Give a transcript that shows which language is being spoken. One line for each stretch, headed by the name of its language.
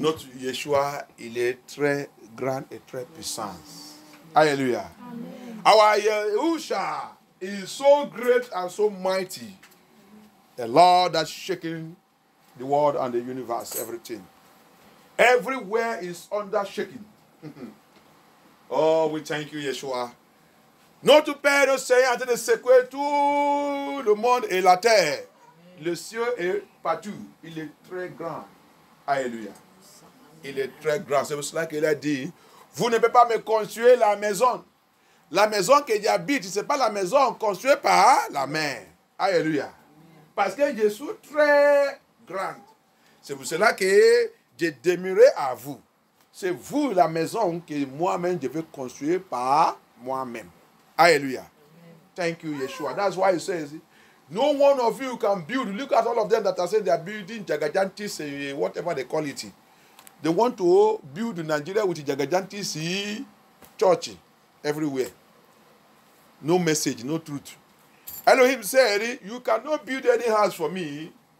French: Notre Yeshua, il est très grand et très puissant. Alléluia.
English: Our Yahusha is so great and so mighty. The Lord that's shaking the world and the universe, everything. Everywhere is under shaking. Oh, we thank you, Yeshua.
French: Notre Père, le Seigneur, est en train de secouer tout le monde et la terre. Le ciel est partout. Il est très grand. Alléluia. Il est très grand. C'est pour cela qu'il a dit, vous ne pouvez pas me construire la maison. La maison que j'habite, ce n'est pas la maison construite par la main. Alléluia. Parce que je suis très grand. C'est pour cela que j'ai demeuré à vous. C'est vous la maison que moi-même je veux construire par moi-même.
English: Alléluia. Thank you, Yeshua. That's why he says, no one of you can build. Look at all of them that are saying they are building jagajantis, whatever they call it. They want to build Nigeria with jagajantis church everywhere. No message, no truth. Elohim said, you cannot build any house for me.